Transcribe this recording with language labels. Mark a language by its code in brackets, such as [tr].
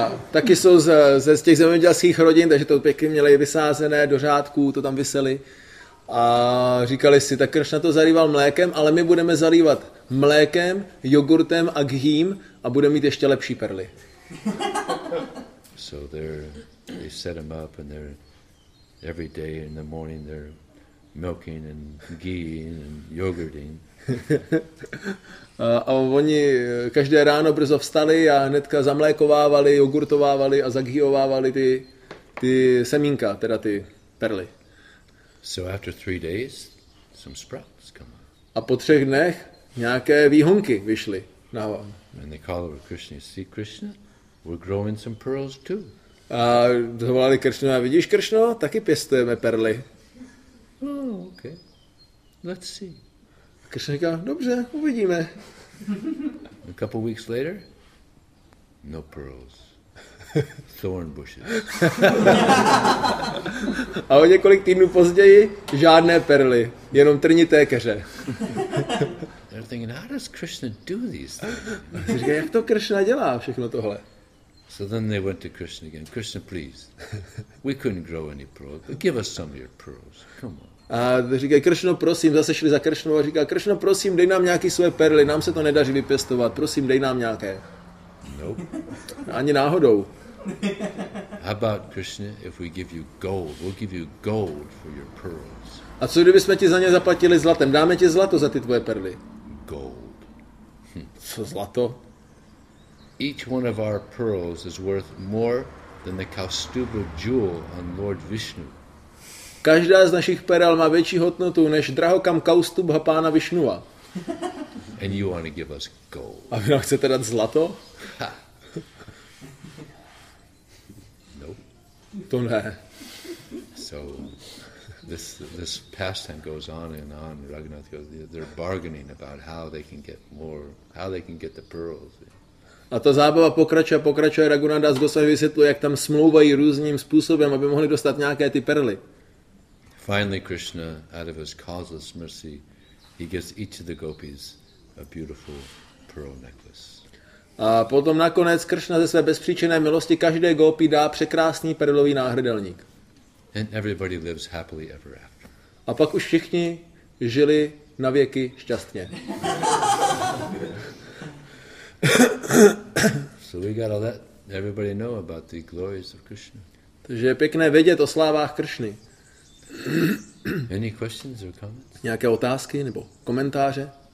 [cs] Taky jsou ze těch zemědělských rodin, takže to pěkně měli vysázené do řádků, to tam visely. A říkali si, tak Krishna to zalíval mlékem, ale my budeme zalívat mlékem, jogurtem a ghee a budeme mít ještě lepší perly. [en] So they set them up and they're every day in the morning they're milking and ghee-ing and yogurting. [cs] A oni každé ráno brzo vstali a hnedka zamlékovávali, jogurtovávali a zaghiovávali ty semínka, teda ty perly. [en] So after 3 days some sprouts come up. [cs] A po třech dnech nějaké výhonky vyšly na von. [en] And they call over Krishna, see Krishna, we're growing some pearls too. [cs] A zavolali Kršnu a vidíš Kršno, taky pěstujeme perly. [en] Oh, okay. Let's see. [cs] A Kršna říká, dobře, uvidíme. [en] A couple weeks later, no pearls. Thorn bushes. [cs] A o několik týdnů později, žádné perly, jenom trnité keře. [en] They're thinking, how does Krishna do these things? [cs] A říká, jak to Kršna dělá všechno tohle? [en] So then they went to Krishna again. Krishna, please, we couldn't grow any pearls, but give us some of your pearls. Come on. [cs] A říkají, Krishna, prosím, zase šli za Krishnou a říká, Krishna, prosím, dej nám nějaké své perly, nám se to nedaří vypěstovat, prosím, dej nám nějaké. [en] Nope. [cs] Ani náhodou. [en] How about, Krishna, if we give you gold, we'll give you gold for your pearls. [cs] A co kdybychom ti za ně zaplatili zlatem, dáme ti zlato za ty tvoje perly. [en] Gold. [cs] Co zlato? [en] Each one of our pearls is worth more than the Kaustubha jewel on Lord Vishnu. [cs] Každá z našich perel má větší hodnotu než drahokam Kaustubha pána Vishnuva. [en] And you want to give us gold. [cs] A vy nám chcete dát zlato? [en] Nope. [cs] To ne. [en] So this pastime goes on and on. Raghunath goes, they're bargaining about how they can get more, how they can get the pearls. [cs] A ta zábava pokračuje, Raghunath Das Gosvami vysvětluje, jak tam smlouvají různým způsobem, aby mohli dostat nějaké ty perly. [en] Finally Krishna, out of his causeless mercy, he gives each of the gopis a beautiful pearl necklace. [cs] A potom nakonec Krishna ze své bezpříčinné milosti každé gopi dá překrásný perlový náhrdelník. [en] And everybody lives happily ever after. [cs] A pak už všichni žili na věky šťastně. [en] So we gotta let everybody know about the glories of Krishna. [cs] Takže je pěkné vědět o slávách Kršny. [en] Any questions or comments? [cs] Nějaké otázky nebo komentáře?